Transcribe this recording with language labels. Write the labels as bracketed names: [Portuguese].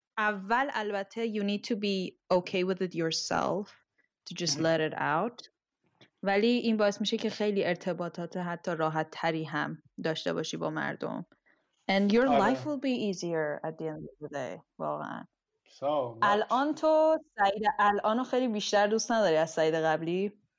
[Persian] اول البته [English] you need to be okay with it yourself to just let it out. [Persian] ولی این باعث میشه که خیلی ارتباطات حتی راحت تری هم داشته باشی با مردم. [English] And your life will be easier at the end of the day. [Persian] واقعا. [English] So [Persian] الان تو سعید الانو خیلی بیشتر دوست نداری از سعید قبلی؟